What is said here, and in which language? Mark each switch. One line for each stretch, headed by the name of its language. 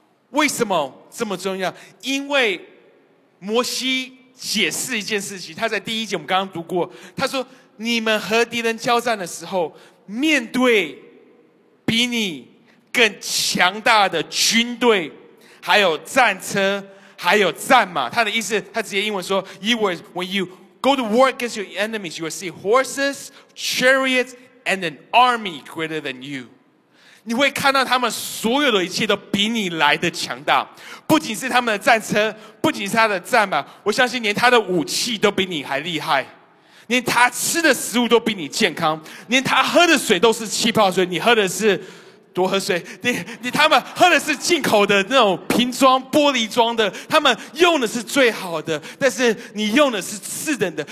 Chinese: 为什么这么重要？因为摩西解释一件事情，他在第一节我们刚刚读过，他说你们和敌人交战的时候，面对比你更强大的军队，还有战车，还有战马。
English: 他的意思，他直接英文说 When you go to war against your enemies, you will see horses, chariots, and an army greater than you.
Chinese: 你会看到他们所有的一切都比你来的强大，不仅是他们的战车，不仅是他的战马，我相信连他的武器都比你还厉害，连他吃的食物都比你健康，连他喝的水都是气泡水，你喝的是多喝水，他们喝的是进口的那种瓶装玻璃装的，他们用的是最好的，但是你用的是次等的。